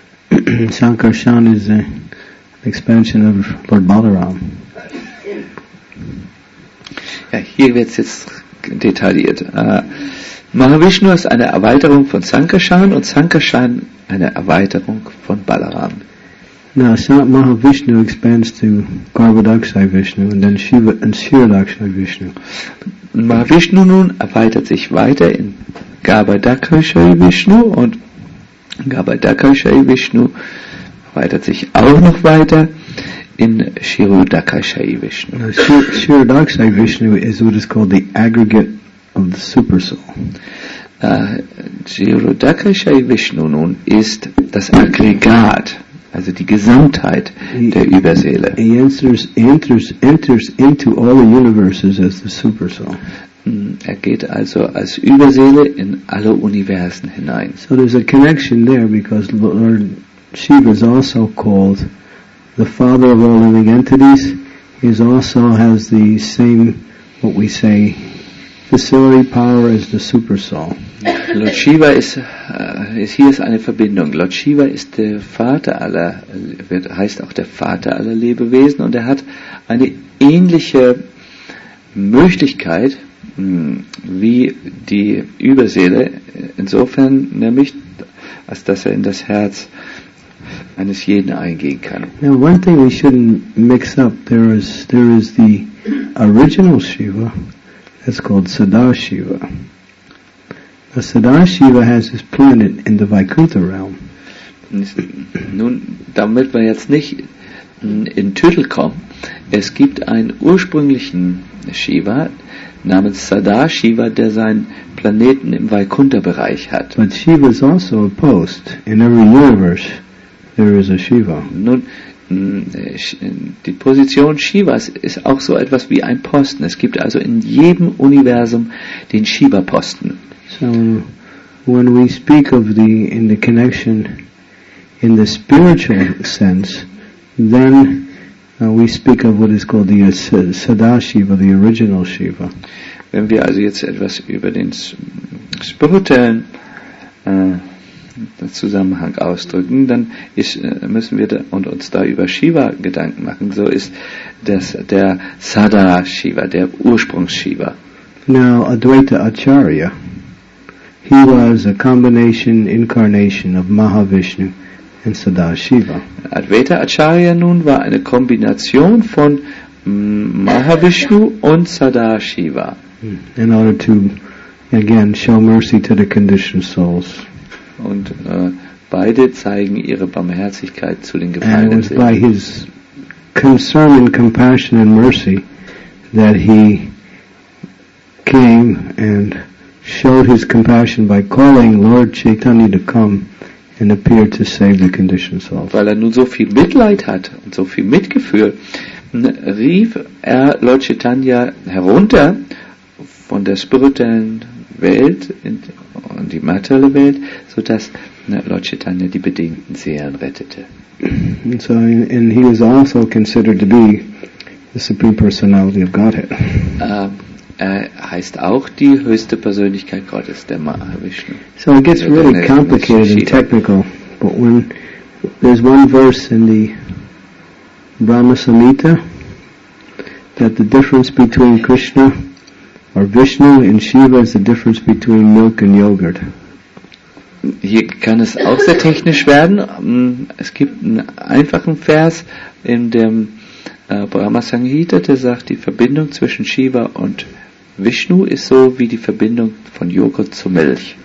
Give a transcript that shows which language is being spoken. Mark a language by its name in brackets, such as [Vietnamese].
[English] Sankarshan is an expansion of Lord Balaram. [German] Ja, hier wird es jetzt detailliert. Mahavishnu ist eine Erweiterung von Sankarshan und Sankarshan eine Erweiterung von Balaram. [English] Now, Mahavishnu expands to Garbhodakshaya Vishnu and then Shiva and Shiradakshaya Vishnu. [German] Mahavishnu nun erweitert sich weiter in Garbhodakshaya Vishnu, und Garbhodakshaya Vishnu erweitert sich auch noch weiter in Shirodakshaya Vishnu. [English] Shirodakshaya Vishnu is what is called the aggregate of the Supersoul. [German] Shirodakshaya Vishnu nun ist das Aggregat, also die Gesamtheit der Überseele. [English] He enters into all the universes as the Supersoul. [German] Er geht also als Überseele in alle Universen hinein. [English] So there's a connection there, because Lord Shiva is also called the father of all living entities. He is also has the same, what we say, facility power as the super soul. [German] Lord Shiva ist hier ist eine Verbindung. Lord Shiva ist der Vater aller, heißt auch der Vater aller Lebewesen, und er hat eine ähnliche Möglichkeit wie die Überseele, insofern nämlich, als dass er in das Herz eines jeden eingehen kann. [English] Now, one thing we shouldn't mix up, there is the original Shiva, that's called Sadashiva. Now, Sadashiva has his planet in the Vaikuntha realm. [German] Nun, damit wir jetzt nicht in Tüttel kommen, es gibt einen ursprünglichen Shiva namens Sadashiva, der seinen Planeten im Vaikuntha-Bereich hat. [English] But Shiva is also a post in every universe. There is a Shiva. [German] Nun, die Position Shivas ist auch so etwas wie ein Posten. Es gibt also in jedem Universum den Shiva-Posten. [English] So, when we speak of the connection in the spiritual sense, then we speak of what is called the Sadashiva, the original Shiva. [German] Wenn wir also jetzt etwas über den spirituellen den Zusammenhang ausdrücken, dann müssen wir uns da über Shiva Gedanken machen. So ist das der Sada-Shiva, der Ursprungs-Shiva. [English] Now, Advaita Acharya, he was a combination incarnation of Mahavishnu and Sada-Shiva. [German] Advaita Acharya nun war eine Kombination von Mahavishnu und Sada-Shiva. [English] In order to, again, show mercy to the conditioned souls. [German] Und beide zeigen ihre Barmherzigkeit zu den gefallenen [English] Seelen. And it was by his concern and compassion and mercy that he came and showed his compassion by calling Lord Chaitanya to come and appear to save the conditioned soul. [German] Weil er nun so viel Mitleid hat und so viel Mitgefühl, rief er Lord Chaitanya herunter von der spirituellen Welt in die materielle Welt, sodass Lord Chaitanya die bedingten Seelen rettete. [English] And so, and he was also considered to be the Supreme Personality of Godhead. [German] Er heißt auch die höchste Persönlichkeit Gottes, der Mahavishnu. [English] So it gets really complicated and technical, but when there's one verse in the Brahma Samhita that the difference between Krishna or Vishnu and Shiva is the difference between milk and yogurt. [German] Hier kann es auch sehr technisch werden. Es gibt einen einfachen Vers in dem Brahma Samhita, der sagt, die Verbindung zwischen Shiva und Vishnu ist so wie die Verbindung von Joghurt zu Milch.